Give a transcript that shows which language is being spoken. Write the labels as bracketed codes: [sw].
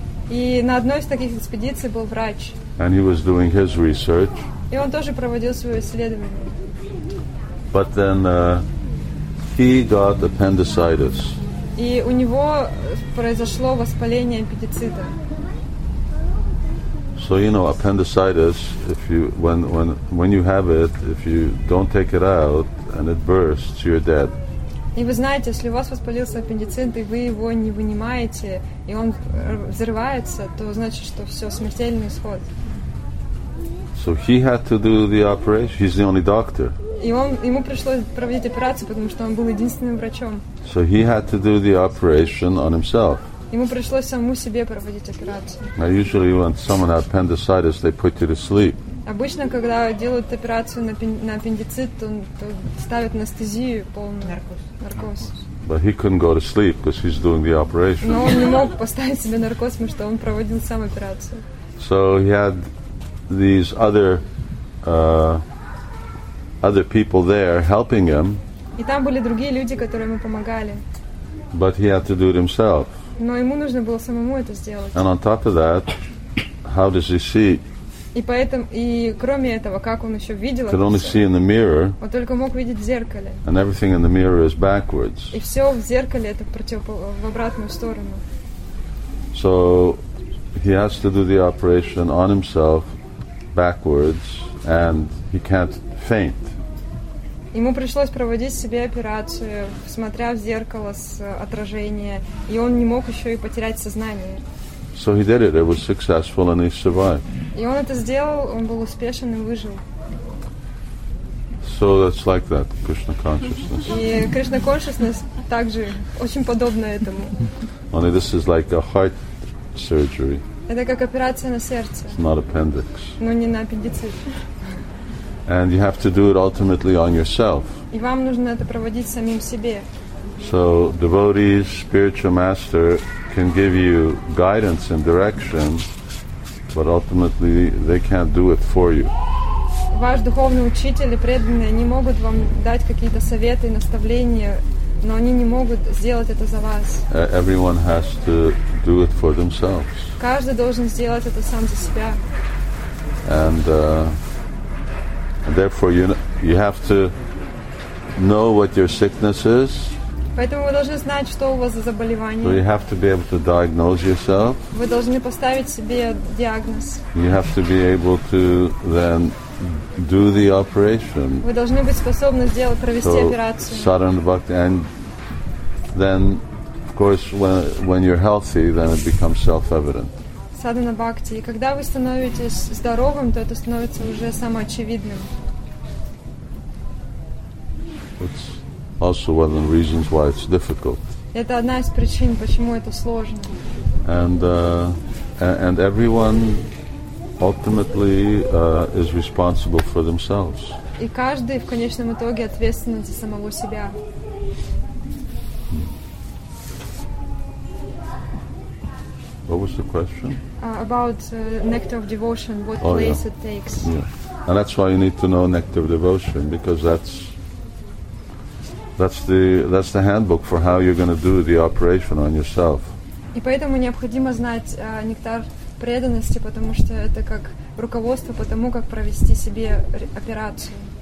[ru] И на одной из таких экспедиций был врач. [en] And he was doing his research. [ru] И он тоже проводил свое исследование. [en] But then he got appendicitis. [ru] И у него произошло воспаление аппендицита. [en] So you know, appendicitis, if you when you have it, if you don't take it out and it bursts, you're dead. [ru] И вы знаете, если у вас воспалился аппендицит, и вы его не вынимаете, и он взрывается, то значит, что все, смертельный исход. [en] So he had to do the operation. He's the only doctor. [ru] И он, ему пришлось проводить операцию, потому что он был единственным врачом. [en] So he had to do the operation on himself. [ru] Ему пришлось самому себе проводить операцию. [en] Now usually when someone has appendicitis, they put you to sleep. [ru] Обычно, когда делают операцию на аппендицит, то ставят анестезию полную. Наркоз. [en] But he couldn't go to sleep because he's doing the operation. [ru] Но он не мог поставить себе наркоз, потому что он проводил сам операцию. [en] So he had these other people there helping him. [ru] И там были другие люди, которые ему помогали. [en] But he had to do it himself. [ru] Но ему нужно было самому это сделать. [en] And on top of that, how does he see? [ru] И поэтому, и кроме этого, как он еще видел [en] Could only see in the mirror, [ru] он только мог видеть в зеркале. [en] And everything in the mirror is backwards. [ru] И все в зеркале это в обратную сторону. [en] So he has to do the operation on himself backwards, and he can't faint. [ru] Ему пришлось проводить себе операцию, смотря в зеркало с отражения, и он не мог еще и потерять сознание. [en] So he did it. It was successful and he survived. [ru] И он это сделал, он был успешен и выжил. [en] So that's like that, Krishna consciousness. [ru] И Krishna consciousness также очень подобна этому. [en] Only this is like a heart surgery. [ru] Это как операция на сердце. [en] It's not appendix. [ru] Но не на аппендицит. [en] And you have to do it ultimately on yourself. [ru] И вам нужно это проводить самим себе. [en] So devotees, spiritual master can give you guidance and direction, but ultimately they can't do it for you. [ru] Ваш духовный учитель и преданные, они могут вам дать какие-то советы и наставления, но они не могут сделать это за вас. [en] Everyone has to do it for themselves. [ru] Каждый должен сделать это сам за себя. [en] And therefore you have to know what your sickness is. [ru] Поэтому вы должны знать, что у вас за заболевание. [en] So you have to be able to diagnose yourself. [ru] Вы должны поставить себе диагноз. [en] You have to be able to then do the operation. [ru] Вы должны быть способны сделать, провести операцию. [en] So sadhana bhakti, and then, of course, when you're healthy, then it becomes self-evident. [sa] Sadhana bhakti. [ru] И когда вы становитесь здоровым, то это становится уже самоочевидным. [en] It's also one of the reasons why it's difficult. [ru] Это одна из причин, почему это сложно. [en] And everyone ultimately is responsible for themselves. [ru] И каждый в конечном итоге ответственен за самого себя. [en] What was the question? About nectar of devotion, what place it takes. Yeah. And that's why you need to know nectar of devotion, because that's the handbook for how you're going to do the operation on yourself. [ru] И поэтому необходимо знать нектар преданности, потому что это как руководство по тому, как провести себе операцию.